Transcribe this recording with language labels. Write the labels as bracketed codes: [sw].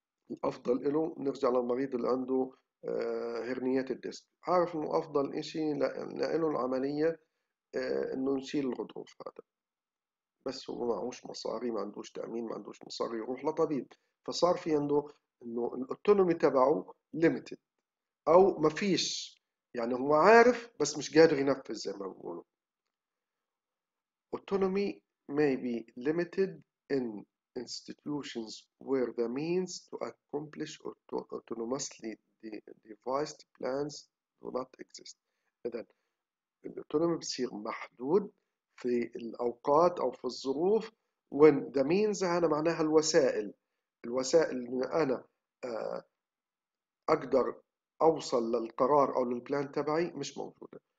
[ar] الافضل له، نرجع للمريض اللي عنده هرنيات الديسك عارف انه افضل اشي لانه العملية انه نشيل الغضروف هذا، بس هو ما عندوش مصاري ما عندوش تأمين ما عندوش مصاري يروح لطبيب، فصار في عنده انه الاوتونومي تبعه ليميتد او ما فيش، يعني هو عارف بس مش قادر ينفذ زي ما بيقولوا. [en] Autonomy may be limited in institutions where the means to accomplish autonomously devised plans do not exist. [ar] إذا الأوتونومي بصير محدود في الأوقات أو في الظروف [en] when the means [ar] أنا معناها الوسائل، الوسائل إن أنا أقدر أوصل للقرار أو للبلان تبعي مش موجودة.